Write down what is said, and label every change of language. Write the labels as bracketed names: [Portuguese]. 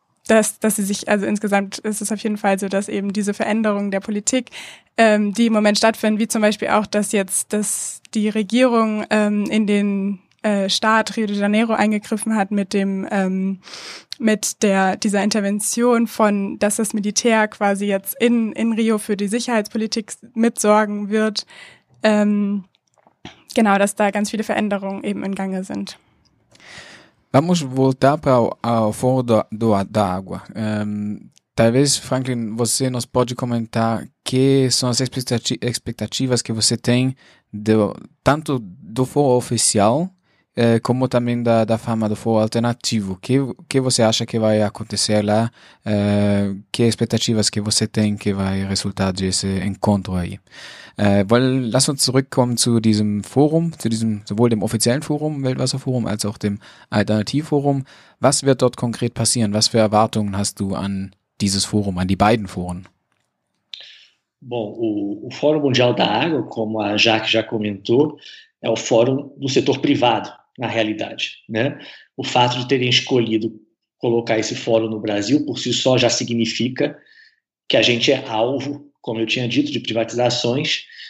[German] dass sie sich, also insgesamt ist es auf jeden Fall so, dass eben diese Veränderungen der Politik, die im Moment stattfinden, wie zum Beispiel auch, dass jetzt dass die Regierung in den Staat Rio de Janeiro eingegriffen hat mit dem mit der dieser Intervention von, dass das Militär quasi jetzt in Rio für die Sicherheitspolitik mitsorgen wird. Genau, dass da ganz viele Veränderungen eben in Gange sind. [Portuguese] Vamos voltar para o fundo da água. Talvez, Franklin, você nos pode comentar que são as expectativas que você tem do, tanto do foro oficial como também da fama do foro alternativo. Que você acha que vai acontecer lá? Que expectativas que você tem que vai resultar desse encontro aí? [German] Lass uns zurückkommen zu diesem Forum, zu diesem sowohl dem offiziellen Forum, Weltwasserforum, als auch dem Alternativforum. Was wird dort konkret passieren? Was für Erwartungen hast du an dieses Forum, an die beiden Foren? [Portuguese] Bom, o Fórum Mundial da Água, como a Jacques já comentou, é o fórum do setor privado, na realidade, né? O fato de terem escolhido colocar esse fórum no Brasil, por si só, já significa que a gente é alvo, como eu tinha dito, de privatizações.